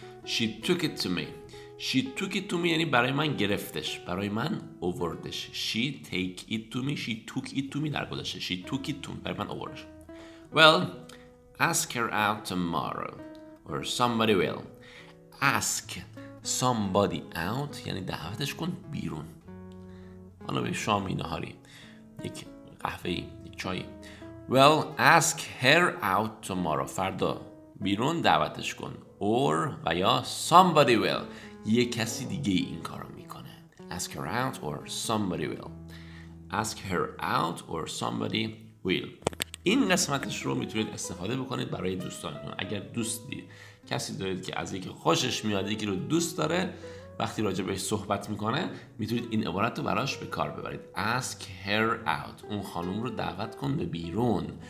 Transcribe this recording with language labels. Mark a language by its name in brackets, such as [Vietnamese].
[English] She took it to me [Persian] یعنی برای من گرفتش، برای من آوردش. [English] She took it to me در گذشته. She took it to me [Persian] برای من آوردش. [English] Well, ask her out tomorrow or somebody will. Ask somebody out [Persian] یعنی دعوتش کن بیرون. حالا به شامی، نهاری، یک قهوه‌ای، یک چایی. [English] Well, ask her out tomorrow. [Persian] فردا بیرون دعوتش کن. [English] Or و یا somebody will. [Persian] یه کسی دیگه این کارو میکنه. [English] Ask her out or somebody will. Ask her out or somebody will. [Persian] این قسمتش رو میتونید استفاده بکنید برای دوستانتون. اگر دوستی کسی دارید که از یکی خوشش میاد، یکی رو دوست داره، وقتی راجع بهش صحبت میکنه میتونید این عبارت رو براش به کار ببرید. [English] Ask her out. [Persian] اون خانم رو دعوت کن به بیرون.